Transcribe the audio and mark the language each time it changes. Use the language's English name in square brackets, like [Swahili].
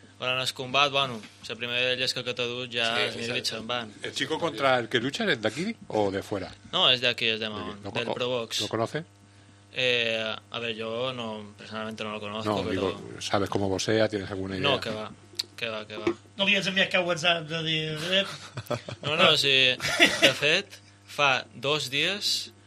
[Catalan] Però en el combat, bueno, la primera llesca que t'ha dut ja els nervis se'n van. [Spanish] El chico contra el que lucha, ¿es de aquí o de fuera? [Catalan] No, és d'aquí, és de Mahón, del Provox. [Spanish] ¿Lo conoce? A ver, yo no, personalmente no lo conozco. No, pero... digo, ¿sabes cómo boxea? ¿Tienes alguna idea? No, que va. [Catalan] No li has enviat cap WhatsApp de dir... No, sí, de fet, fa 2 dies...